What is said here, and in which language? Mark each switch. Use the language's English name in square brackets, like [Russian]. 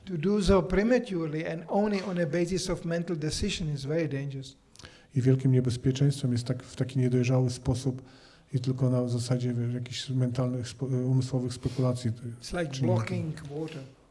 [English] To do so prematurely and only on a basis of mental decision is very dangerous. [Polish] I wielkim niebezpieczeństwem jest tak, w taki niedojrzały sposób i tylko na zasadzie jakichś mentalnych, umysłowych spekulacji. [English] It's like blocking water.